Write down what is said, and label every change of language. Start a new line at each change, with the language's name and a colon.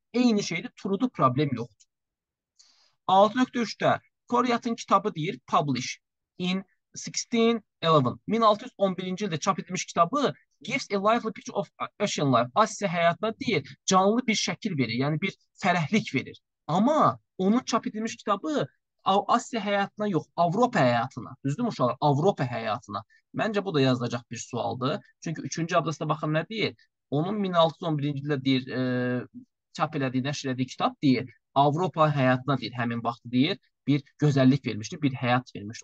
Azerbaijani: Eyni şeydir, turudu, problem yoxdur. 6.3-də Koryatın kitabı deyir,
English: publish in 1611.
Azerbaijani: 1611-ci ildə çap edilmiş kitabı
English: gives a lively picture of ocean life.
Azerbaijani: Asya hayatına deyir, canlı bir şəkil verir, yəni bir fərəhlik verir. Amma onun çap edilmiş kitabı Asya hayatına yox, Avropa hayatına. Düzdür mü uşaqlar? Avropa hayatına. Məncə bu da yazılacaq bir sualdır. Çünki 3-cü abzasda baxın nə deyir? Onun 1611-ci ildə deyir, çap elədiyi, nəşr elədiyi kitab deyir. Avropa hayatına deyir, həmin vaxtı deyir. Bir gözəllik vermişdi, bir həyat vermişdi.